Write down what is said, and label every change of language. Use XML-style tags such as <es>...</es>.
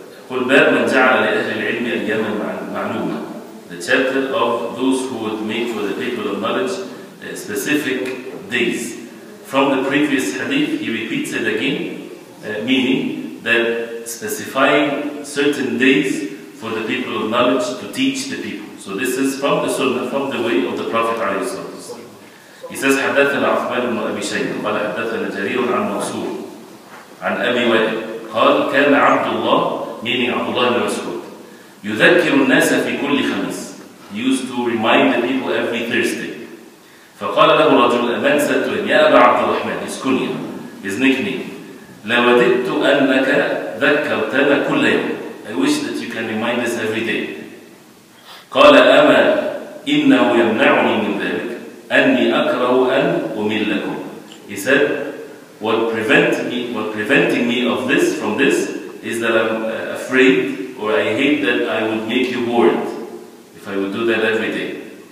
<ar>قل باب من جعل لأهل العلم أياما معلومة.</ar> <en>The chapter of those who would make for the people of knowledge specific days. From the previous hadith, he repeats it again, meaning that specifying certain days for the people of knowledge to teach the people. So this is from the sunnah, from the way of the Prophet</en> <ar>عليه الصلاة والسلام.</ar> <en>He says,</en> <ar>حدثنا عثمان بن أبي شيبة قال حدثنا جرير عن منصور عن أبي وائل قال كان عبد الله meaning عبد الله بن مسعود يذكر الناس في كل خميس.</ar> <en>He used to remind the people every Thursday.</en> <ar>فقال له رجل أمان ستوين يا أبا عبد الرحمن</ar> <en>his kunya, his nickname.</en> <ar>لوددت أنك ذكرتنا كل يوم.</ar> <en>I wish that you can remind us every day.</en> <ar>قال أما إنه يمنعني من ذلك أني أكره أن أمل لكم.</ar> <en>He said, What preventing me from this is that I'm afraid or I hate that I would make you bored if I would do that every day.</en>